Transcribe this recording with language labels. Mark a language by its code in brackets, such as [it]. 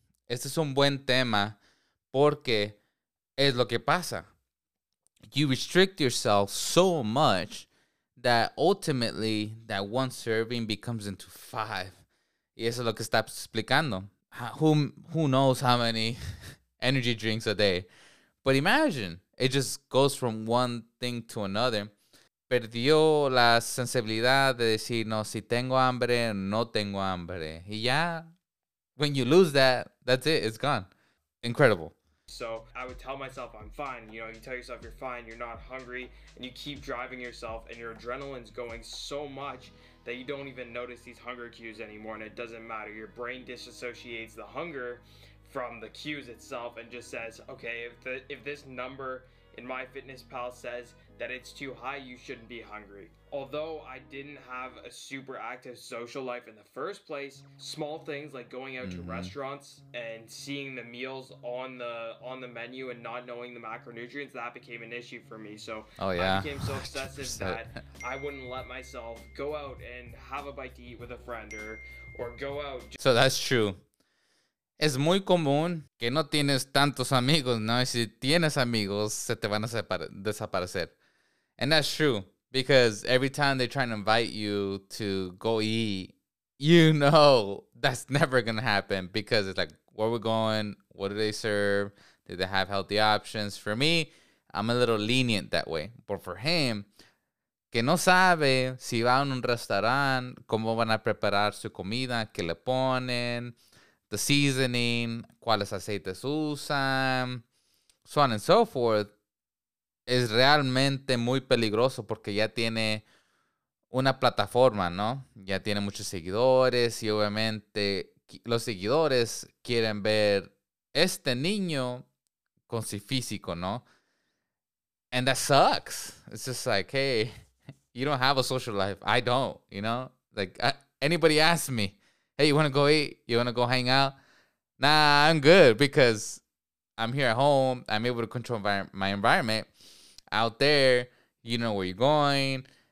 [es] Este es un buen tema porque es lo que pasa. [en] You restrict yourself so much that ultimately that one serving becomes into five. [es] Y eso es lo que está explicando. [en] Who knows how many energy drinks a day. But imagine, it just goes from one thing to another. [es] Perdió la sensibilidad de decir, no, si tengo hambre, no tengo hambre. Y ya, [en] when you lose that, that's it, it's gone. Incredible. So I would tell myself I'm fine. You know, you tell yourself you're fine, you're not hungry, and you keep driving yourself, and your adrenaline's going so much that you don't even notice these hunger cues anymore, and it doesn't matter. Your brain disassociates the hunger from the cues itself and just says, okay, if this number in my fitness pal says that it's too high, you shouldn't be hungry. Although I didn't have a super active social life in the first place, small things like going out to restaurants and seeing the meals on the menu and not knowing the macronutrients, that became an issue for me. So I became so obsessive that I wouldn't let myself go out and have a bite to eat with a friend or go out. So that's true. [es] Es muy común que no tienes tantos amigos, ¿no? Y si tienes amigos, se te van a desaparecer. [en] And that's true, because every time they try to invite you to go eat, you know that's never going to happen because it's like, where are we going? What do they serve? Do they have healthy options? For me, I'm a little lenient that way. But for him, [es] que no sabe si va a un restaurant, cómo van a preparar su comida, qué le ponen, [en] the seasoning, [es] cuáles aceites usan, [en] so on and so forth, [es] es realmente muy peligroso porque ya tiene una plataforma, ¿no? Ya tiene muchos seguidores y obviamente los seguidores quieren ver este niño con su físico, ¿no? [en] And that sucks. It's just like, hey, you don't have a social life. I don't, you know? Like, anybody asks me, hey, you want to go eat? You want to go hang out? Nah, I'm good because I'm here at home. I'm able to control my environment. Out there, you know where you're going.